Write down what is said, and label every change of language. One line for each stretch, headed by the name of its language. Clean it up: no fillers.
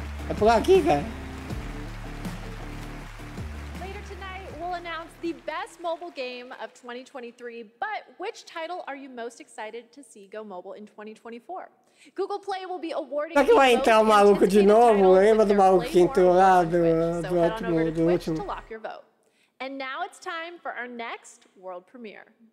Portuguese: É por aqui, cara.
English: Later tonight, we'll announce the best mobile game of 2023, but which title are you most excited to see go mobile in 2024? Google Play will be awarding.
Portuguese: Será que vai entrar o maluco de novo? Lembra do maluco que entrou lá do último?
English: So head on over to Twitch to lock your vote. And now it's time for our next world premiere.